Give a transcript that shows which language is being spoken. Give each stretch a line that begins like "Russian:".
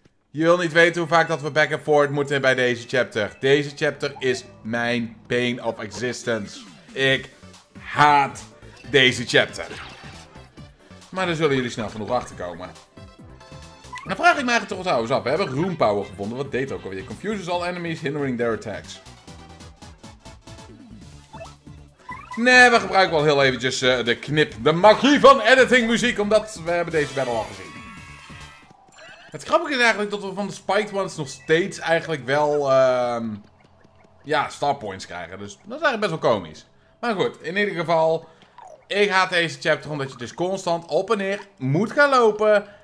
Dutch: Je wil niet weten hoe vaak dat we
English: back and forth
Dutch: moeten bij deze chapter. Deze chapter is mijn
English: pain of existence.
Dutch: Ik haat deze chapter. Maar daar zullen jullie snel genoeg achterkomen. Dan vraag ik me eigenlijk toch trouwens af. We hebben Rune Power gevonden. Wat deed ook alweer?
English: Confuses all enemies, hindering their attacks.
Dutch: Nee, we gebruiken wel heel eventjes de knip. De magie van editing muziek, omdat we hebben deze battle al gezien. Het grappige is eigenlijk dat we van de Spiked Ones nog steeds eigenlijk wel, ja, star points krijgen. Dus dat is eigenlijk best wel komisch. Maar goed, in ieder geval, ik haat deze chapter omdat je dus constant op en neer moet gaan lopen.